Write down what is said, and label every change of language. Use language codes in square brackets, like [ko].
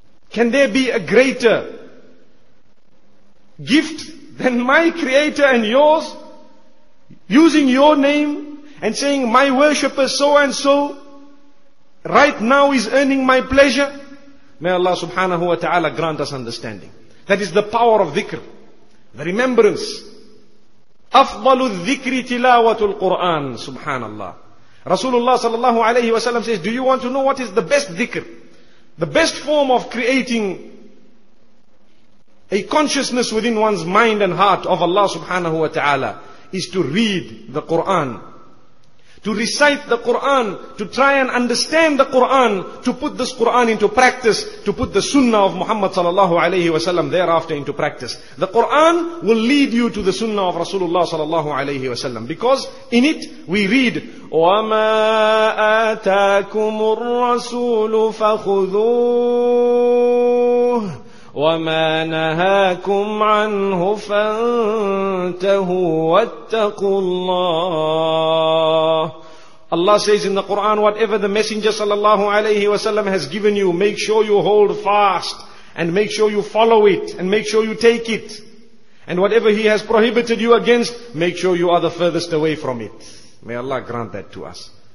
[en] Can there be a greater gift than my Creator and yours? Using your name and saying, my worshipper so and so, right now is earning my pleasure. May Allah subhanahu wa ta'ala grant us understanding. That is the power of dhikr. The remembrance. [ar] أفضل الذكر تلاوة القرآن. [en] Subhanallah. Rasulullah sallallahu alayhi wa sallam says, do you want to know what is the best dhikr? The best form of creating a consciousness within one's mind and heart of Allah subhanahu wa ta'ala is to read the Quran. To recite the Quran, to try and understand the Quran, to put this Quran into practice, to put the Sunnah of Muhammad sallallahu alayhi wa sallam thereafter into practice. The Quran will lead you to the Sunnah of Rasulullah sallallahu alayhi wa sallam. Because in it we read, [ar] وَمَا آتَاكُمُ الرَّسُولُ فَخُذُوهُ وَمَا نَهَاكُمْ عَنْهُ فَانْتَهُوا وَاتَّقُوا اللَّهُ. [en] Allah says in the Quran, whatever the Messenger sallallahu alayhi wa sallam has given you, make sure you hold fast, and make sure you follow it, and make sure you take it. And whatever he has prohibited you against, make sure you are the furthest away from it. May Allah grant that to us.